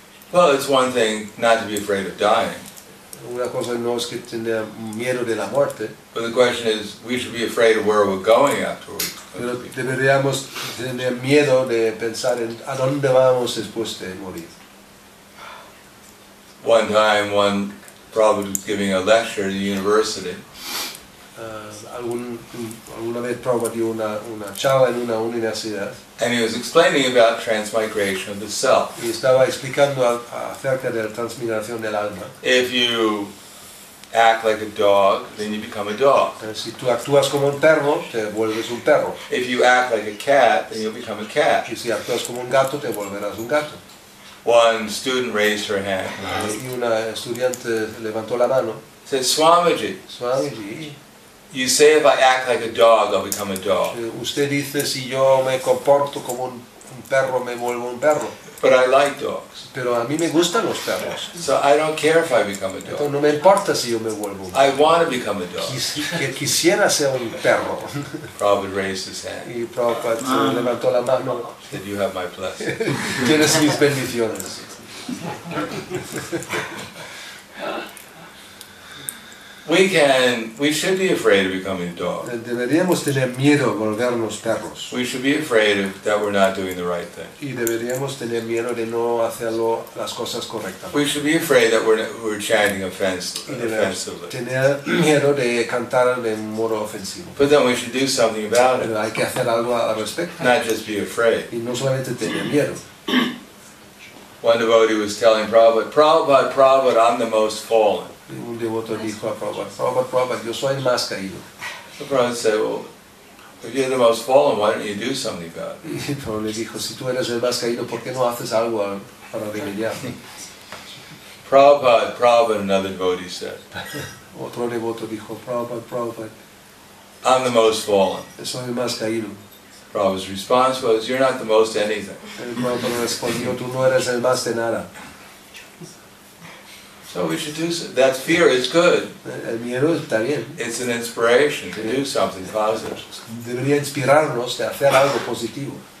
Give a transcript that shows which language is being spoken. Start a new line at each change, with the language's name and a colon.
English: Well, it's one thing not to be afraid of dying.
Spanish: Una cosa no es que tener miedo de la muerte.
English: But the question is, we should be afraid of where we're going afterwards.
Spanish: Pero deberíamos tener miedo de pensar en a dónde vamos después de morir.
English: One time, one prophet was giving a lecture at a university.
Spanish: Alguna vez Prabhupada dio una charla en una universidad.
English: And he was explaining about transmigration of the self.
Spanish: Y estaba explicando acerca de la transmigración del alma.
English: If you act like a dog, then you become a dog.
Spanish: Si tú actúas como un perro, te vuelves un perro.
English: If you act like a cat, then you'll become a cat.
Spanish: Y si actúas como un gato, te volverás un gato.
English: One student raised her hand.
Spanish: Y una estudiante levantó la mano.
English: Said, Swamiji. Swamiji. You say if I act like a dog, I'll become a dog.
Spanish: Usted dice si yo me comporto como un perro, me vuelvo un perro.
English: But I like dogs.
Spanish: Pero a mí me gustan los perros.
English: So I don't care if I become a dog.
Spanish: Entonces no me importa si yo me vuelvo un perro.
English: I want to become a dog.
Spanish: Quisiera ser un perro.
English: Prabhupada raised his hand.
Spanish: Y Prabhupada levantó la mano.
English: Did you have my blessing?
Spanish: Tienes mis bendiciones.
English: We should be afraid of becoming dogs.
Spanish: Deberíamos tener miedo a volvernos perros.
English: We should be afraid of that we're not doing the right thing.
Spanish: Y deberíamos tener miedo de no hacerlo las cosas correctas.
English: We should be afraid that we're chanting offensively.
Spanish: Tener miedo de cantar de modo ofensivo.
English: But then we should do something about it.
Spanish: Hay que hacer algo al respecto.
English: Not just be afraid.
Spanish: Y no solamente tener miedo.
English: One devotee was telling Prabhupada, Prabhupada, I'm the most fallen.
Spanish: Un devoto dijo a Prabhupada, yo soy el más caído.
English: The Prabhupada said, well, if you're the most fallen, why don't you do something about it?
Spanish: Y Prabhupada le dijo, si tú eres el más caído, ¿por qué no haces algo para remediarlo?
English: Prabhupada, another devotee said.
Spanish: Otro devoto dijo, Prabhupada,
English: I'm the most fallen.
Spanish: Soy el más caído.
English: Prabhupada's response was, you're not the most anything.
Spanish: Prabhupada respondió, tú no eres el más de nada.
English: So we should do so. That fear is good.
Spanish: El miedo está bien.
English: It's an inspiration to do something positive.
Spanish: Debería inspirarnos de hacer algo positivo.